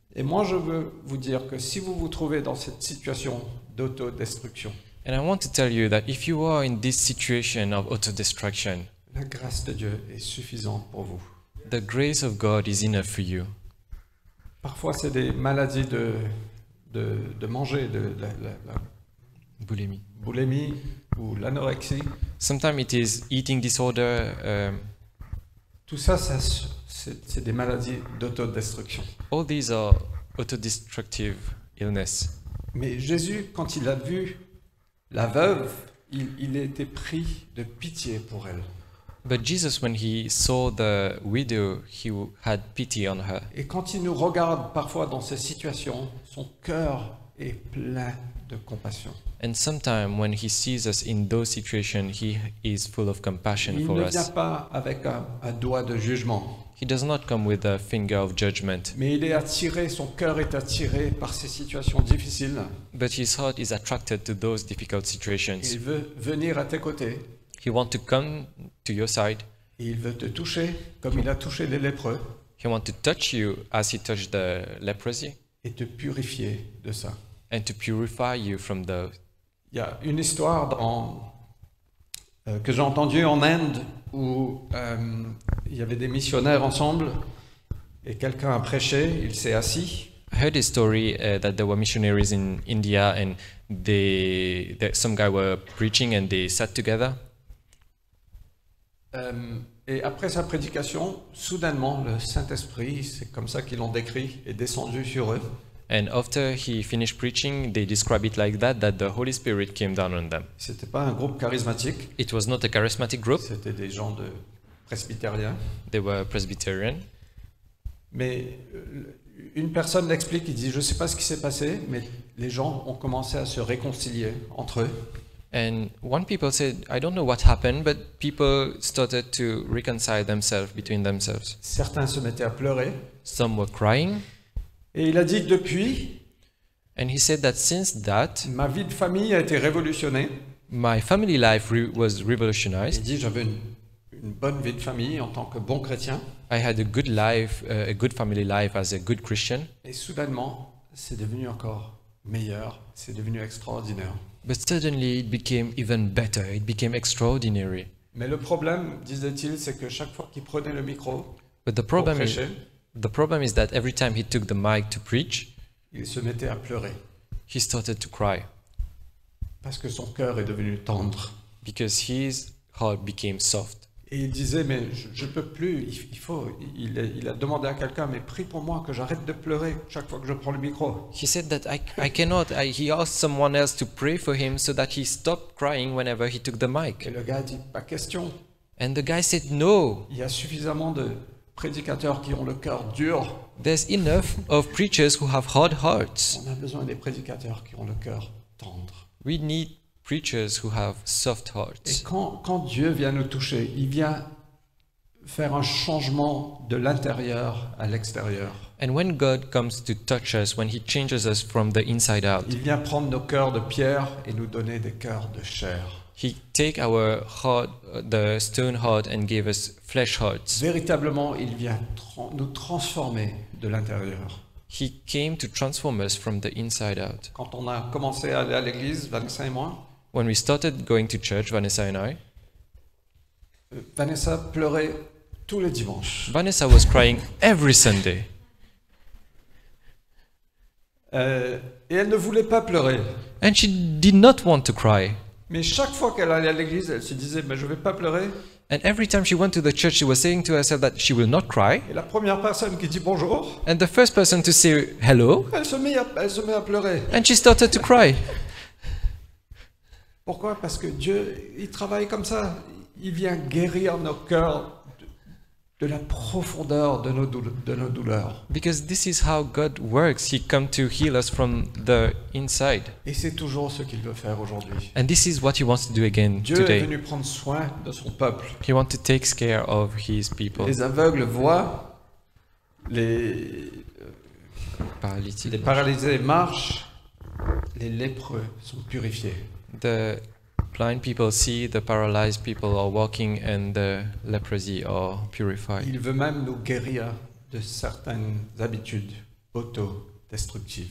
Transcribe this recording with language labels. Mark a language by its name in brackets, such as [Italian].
[French] Et moi, je veux vous dire que si vous vous trouvez dans cette situation d'autodestruction, [English] and I want to tell you that if you are in this situation of autodestruction, [French] la grâce de Dieu est suffisante pour vous. [English] The grace of God is enough for you. [French] Parfois, c'est des maladies de manger, de la boulimie. Boulimie ou l'anorexie. [English] Sometimes it is eating disorder. [French] Tout ça, c'est des maladies d'autodestruction. [English] All these are autodestructive illness. [French] Mais Jésus, quand il a vu la veuve, il était pris de pitié pour elle. [English] But Jesus, when he saw the widow, he had pity on her. [French] Et quand il nous regarde parfois dans ces situations, son cœur est plein de compassion. [English] And sometimes when he sees us in those situations, he is full of compassion [French] il [English] for us. [French] Il ne vient pas avec un doigt de jugement. [English] He does not come with a finger of judgment. [French] Mais il est attiré, son cœur est attiré par ces situations difficiles. [English] But his heart is attracted to those difficult situations. [French] Il veut venir à tes côtés. [English] He wants to come to your side. [French] Et il veut te toucher comme il a touché les lépreux. [English] He wants to touch you as he touched the leprosy. [French] Et te purifier de ça. [English] And to purify you from those. [French] Il y a une histoire que j'ai entendue en Inde où il y avait des missionnaires ensemble et quelqu'un a prêché, il s'est assis. [English] I heard a story that there were missionaries in India and that some guy were preaching and they sat together. [French] Et après sa prédication, soudainement, le Saint-Esprit, c'est comme ça qu'ils l'ont décrit, est descendu sur eux. [English] And after he finished preaching, they describe it like that the Holy Spirit came down on them. [French] C'était pas un groupe charismatique. [English] It was not a charismatic group. [French] C'était des gens de presbytériens. [English] They were Presbyterian. [French] Mais une personne l'explique, il dit, je sais pas ce qui s'est passé, mais les gens ont commencé à se réconcilier entre eux. [English] And one people said, I don't know what happened, but people started to reconcile themselves between themselves. [French] Certains se mettaient à pleurer. [English] Some were crying. [French] Et il a dit depuis. [English] And he said that since that. [French] Ma vie de famille a été révolutionnée. [English] My family life was revolutionized. [French] Il dit j'avais une bonne vie de famille en tant que bon chrétien. [English] I had a good life, a good family life as a good Christian. [French] Et soudainement, c'est devenu encore meilleur. C'est devenu extraordinaire. [English] But suddenly it became even better, it became extraordinary. [French] Mais le problème, disait-il, c'est que chaque fois qu'il prenait le micro [English] the problem is that every time he took the mic to preach, [French] il se mettait à pleurer. [English] He started to cry. [French] Parce que son cœur est devenu tendre. [English] Because his heart became soft. [French] Et il disait, mais je ne peux plus, il a demandé à quelqu'un, mais prie pour moi que j'arrête de pleurer chaque fois que je prends le micro. [English] He said that I cannot, he asked someone else to pray for him so that he stopped crying whenever he took the mic. [French] Et le gars dit, pas question. [English] And the guy said, no. [French] Il y a suffisamment de prédicateurs qui ont le cœur dur. [English] There's enough of preachers who have hard hearts. [French] On a besoin des prédicateurs qui ont le cœur tendre. [English] We need preachers who have soft hearts. [French] Et quand Dieu vient nous toucher, il vient faire un changement de l'intérieur à l'extérieur. [English] And when God comes to touch us, when he changes us from the inside out. [French] Il vient prendre nos cœurs de pierre et nous donner des cœurs de chair. [English] He take our heart, the stone heart, and give us flesh hearts. [French] Véritablement, il vient nous transformer de l'intérieur. [English] He came to transform us from the inside out. [French] Quand on a commencé à aller à l'église, Vanessa et moi. [English] When we started going to church, Vanessa and I. [French] Vanessa pleurait tous les dimanches. [English] Vanessa was crying every Sunday. [French] Et elle ne voulait pas pleurer. [English] And she did not want to cry. [French] Mais chaque fois qu'elle allait à l'église, elle se disait, mais je ne vais pas pleurer. [English] And every time she went to the church, she was saying to herself that she will not cry. [French] Et la première personne qui dit bonjour. [English] And the first person to say hello. [French] Elle se met à pleurer. [English] And she started to cry. [French] Pourquoi? Parce que Dieu, il travaille comme ça. Il vient guérir nos cœurs de la profondeur de nos douleurs. [English] Because this is how God works. He comes to heal us from the inside. [French] Et c'est toujours ce qu'il veut faire aujourd'hui. [English] And this is what he wants to do again [French] Dieu [English] today. [French] Dieu est venu prendre soin de son peuple. [English] He wants to take care of his people. [French] Les aveugles voient, les paralysés marchent, les lépreux sont purifiés. [English] The blind people see, the paralyzed people are walking, and the leprosy are purified. [French] Il veut même nous guérir de certaines habitudes auto-destructives.